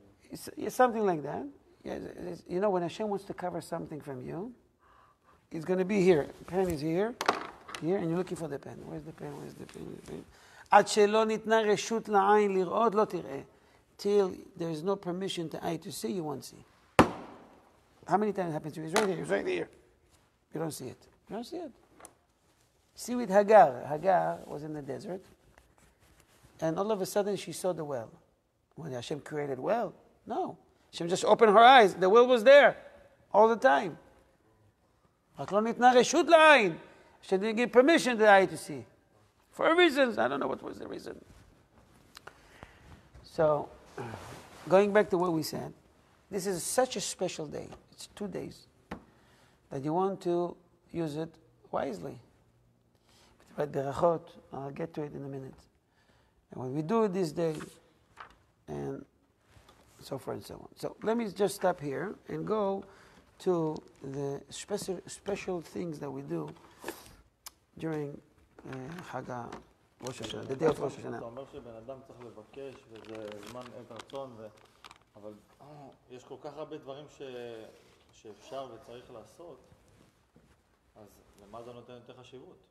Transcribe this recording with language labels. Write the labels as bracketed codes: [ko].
[en] It's something like that. Yeah, you know, when Hashem wants to cover something from you, it's going to be here. Pen is here, here, and you're looking for the pen. Where's the pen? Where's the pen? [he] עד שלא ניתנה רשות לעין לראות, לא תראה. [en] Till there is no permission to eye to see, you won't see. How many times it happens to you? It's right here, it's right here. You don't see it. You don't see it. See with Hagar. Hagar was in the desert, and all of a sudden she saw the well. When Hashem created well? No. Hashem just opened her eyes. The will was there all the time. [he] רק לא ניתנה רשות לעין. [en] She didn't give permission to the eye to see. For reasons. I don't know what was the reason. So, going back to what we said, this is such a special day. It's 2 days that you want to use it wisely. But berachot, I'll get to it in a minute. And when we do it this day, and so forth and so on. So let me just stop here and go to the special things that we do during Chag Rosh Hashanah, the day of Rosh Hashanah. [he] אתה אומר שבן אדם צריך לבקש וזה זמן עת רצון, אבל יש כל כך הרבה דברים שאפשר וצריך לעשות, אז למה זה נותן יותר חשיבות?